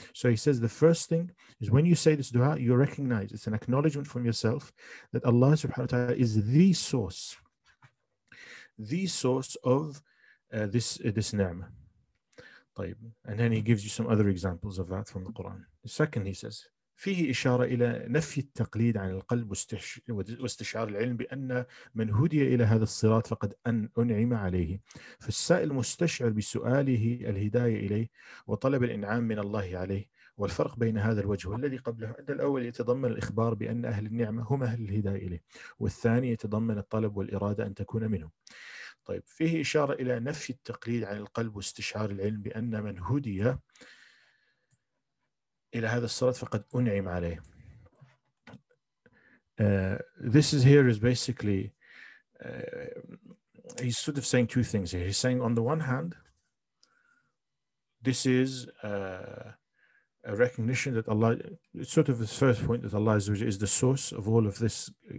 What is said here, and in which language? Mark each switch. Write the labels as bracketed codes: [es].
[en] So he says the first thing is when you say this dua, you recognize it's an acknowledgement from yourself that Allah subhanahu wa ta'ala is the source of this ni'mah. [ar] طيب. [en] And then he gives you some other examples of that from the Quran. The second, he says, [ar] فيه إشارة إلى نفي التقليد عن القلب واستشعار العلم بأن من هدي إلى هذا الصراط فقد أنعم عليه. فالسائل مستشعر بسؤاله الهداية إليه وطلب الإنعام من الله عليه. والفرق بين هذا الوجه والذي قبله أن الأول يتضمن الإخبار بأن أهل النعمة هم أهل الهداية إليه, والثاني يتضمن الطلب والإرادة أن تكون منهم. طيب, فيه إشارة إلى نفي التقليد عن القلب واستشعار العلم بأن من هدي إلى هذا الصراط فقد أنعم عليه. [en] This is here is basically he's sort of saying two things here. He's saying on the one hand, this is a recognition that Allah, it's sort of the first point that Allah is the source of all of this